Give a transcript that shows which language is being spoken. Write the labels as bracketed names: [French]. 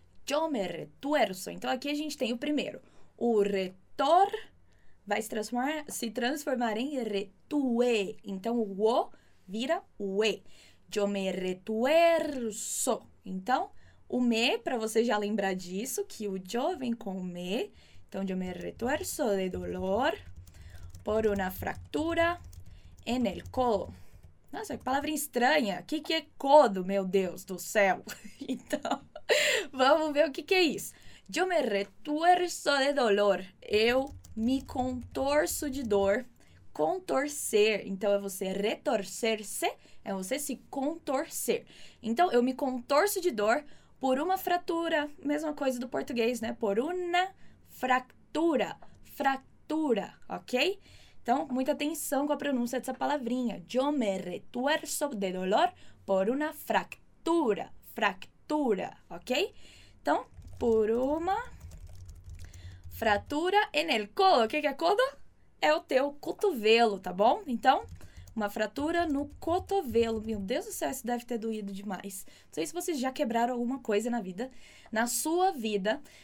[Spanish] Yo me retuerzo. [Portuguese] Então, aqui a gente tem o primeiro. O retor vai se transformar em retue. Então, o vira ue. [Spanish] Yo me retuerzo. [Portuguese] Então, o me, para você já lembrar disso, que o yo vem com o me. [Spanish] Então, yo me retuerzo de dolor por una fractura en el codo. [Portuguese] Nossa, que palavra estranha. O que que é codo, meu Deus do céu? Então, vamos ver o que que é isso. [Spanish] Yo me retuerzo de dolor. [Portuguese] Eu me contorço de dor. Contorcer. Então, é você retorcer-se. É você se contorcer. Então, eu me contorço de dor por uma fratura. Mesma coisa do português, né? [Spanish] Por una fractura. [Portuguese] Fractura, ok? Então, muita atenção com a pronúncia dessa palavrinha. [Spanish] Yo me retuerzo de dolor por una fractura. Fractura, ok? [Portuguese] Então, por uma fratura [Spanish] en el codo. [Portuguese] O que que é codo? É o teu cotovelo, tá bom? Então, uma fratura no cotovelo. Meu Deus do céu, isso deve ter doído demais. Não sei se vocês já quebraram alguma coisa na vida, na sua vida,